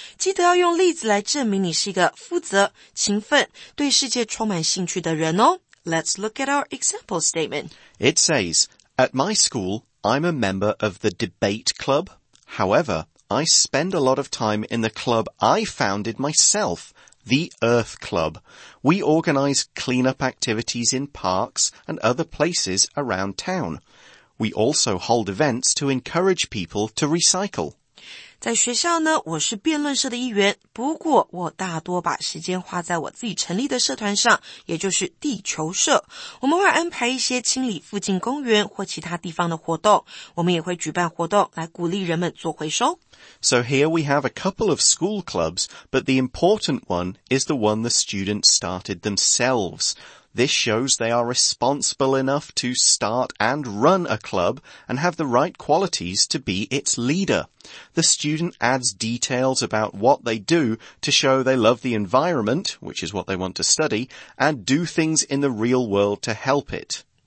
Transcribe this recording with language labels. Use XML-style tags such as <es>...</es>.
<zh>记得要用例子来证明你是一个负责、勤奋、对世界充满兴趣的人哦。</zh> <en>Let's look at our example statement. It says, at my school, I'm a member of the debate club. However,I spend a lot of time in the club I founded myself, the Earth Club. We organize clean-up activities in parks and other places around town. We also hold events to encourage people to recycle.</en> <zh>在学校呢，我是辩论社的一员，不过我大多把时间花在我自己成立的社团上，也就是地球社。我们会安排一些清理附近公园或其他地方的活动，我们也会举办活动来鼓励人们做回收。</zh> <en>So here we have a couple of school clubs, but the important one is the one the students started themselves. This shows they are responsible enough to start and run a club and have the right qualities to be its leader. The student adds details about what they do to show they love the environment, which is what they want to study, and do things in the real world to help it.</en>